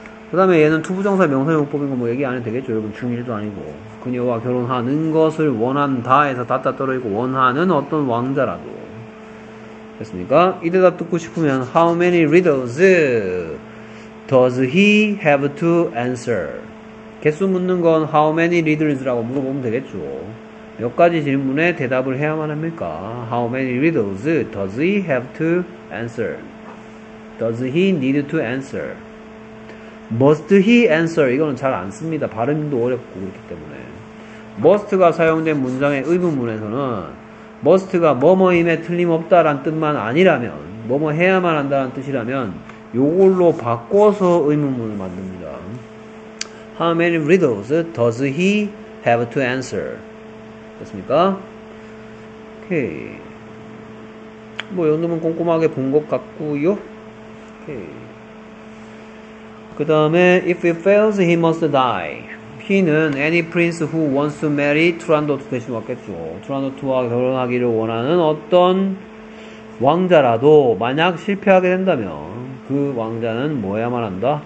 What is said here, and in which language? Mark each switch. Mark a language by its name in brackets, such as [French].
[Korean] 그 다음에 얘는 투부정사 명사용법인 거 뭐 얘기 안 해도 되겠죠. 여러분 중1도 아니고 그녀와 결혼하는 것을 원한다 해서 다 떨어지고 원하는 어떤 왕자라도 됐습니까? 이 대답 듣고 싶으면 [English] How many riddles does he have to answer? [Korean] 개수 묻는 건 [English] How many riddles [Korean] 라고 물어보면 되겠죠. 몇 가지 질문에 대답을 해야만 합니까? [English] How many riddles does he have to answer? Does he need to answer? Must he answer? [Korean] 이거는 잘 안 씁니다. 발음도 어렵고 그렇기 때문에. Must가 사용된 문장의 의문문에서는 Must가 뭐뭐임에 틀림없다란 뜻만 아니라면 뭐뭐 해야만 한다는 뜻이라면 이걸로 바꿔서 의문문을 만듭니다. [English] How many riddles does he have to answer? [Korean] 됐습니까? 오케이. 뭐 이 정도면 꼼꼼하게 본 것 같고요. 오케이. 그 다음에 [English] If he fails, he must die. He는 any prince who wants to marry Turandot [Korean] 대신 왔겠죠. Turandot와 결혼하기를 원하는 어떤 왕자라도 만약 실패하게 된다면 그 왕자는 뭐야만 한다?